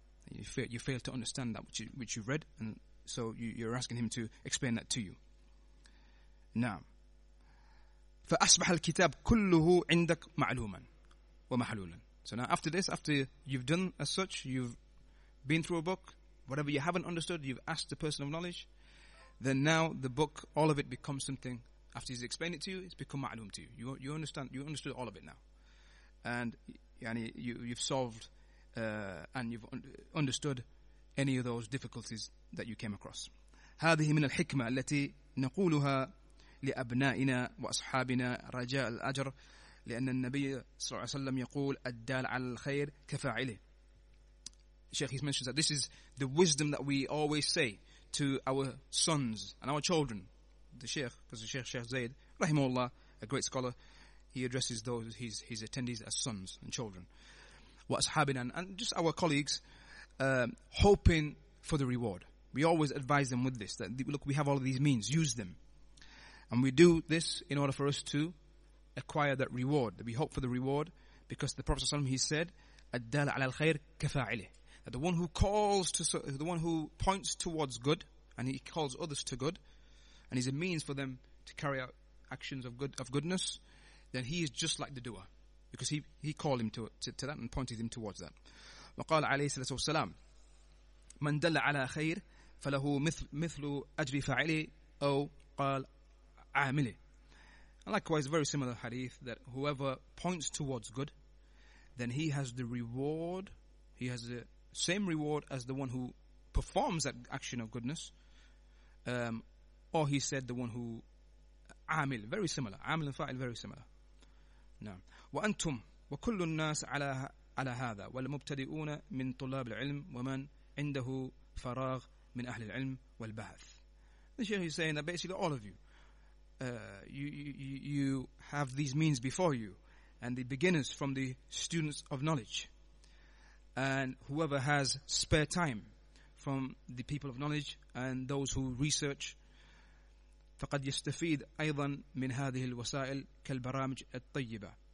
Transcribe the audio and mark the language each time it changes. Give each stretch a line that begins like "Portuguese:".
English: You fail to understand that which you've read, and so you're asking him to explain that to you.
Arabic: نعم. فأصبح الكتاب كله عندك معلوما ومحلولا.
English: So now after this, after you've done as such, you've been through a book, whatever you haven't understood, you've asked the person of knowledge, then now the book, all of it becomes something, after he's explained it to you, it's become ma'lum to you. You understand, you understood all of it now. And yani, you've solved and you've understood any of those difficulties that you came across.
Arabic: هذه من الحكمة التي نقولها لأبنائنا وأصحابنا رجاء الأجر, لأن النبي صلى الله عليه وسلم يقول الدال على الخير كفاعله.
English: Sheikh, he mentions that this is the wisdom that we always say to our sons and our children. The Sheikh, because the Sheikh Zayd, rahimahullah, a great scholar, he addresses those his attendees as sons and children. What's happening, and just our colleagues, hoping for the reward. We always advise them with this, that look, we have all of these means, use them. And we do this in order for us to acquire that reward, that we hope for the reward, because the Prophet ﷺ, he said,
Arabic: الدال على الخير كفاعله.
English: That the one who points towards good, and he calls others to good, and he's a means for them to carry out actions of goodness, then he is just like the doer, because he called him to that and pointed him towards that.
Arabic: وقال عليه الصلاة والسلام من دل على خير فله مثل أجر فاعله أو قال عامله.
English: And likewise, a very similar hadith, that whoever points towards good, then he has the reward, he has the same reward as the one who performs that action of goodness, or he said the one who عامل, very similar,
Arabic: عامل فاعل,
English: very similar.
Arabic: نعم. وأنتم وكل الناس على هذا والمبتدئون من طلاب العلم ومن عنده فراغ من أهل العلم والبحث.
English: The Sheikh is saying that basically all of you, you have these means before you, and the beginners from the students of knowledge, and whoever has spare time from the people of knowledge and those who research.
Arabic: فقد يستفيد أيضا من هذه الوسائل كالبرامج الطيبة.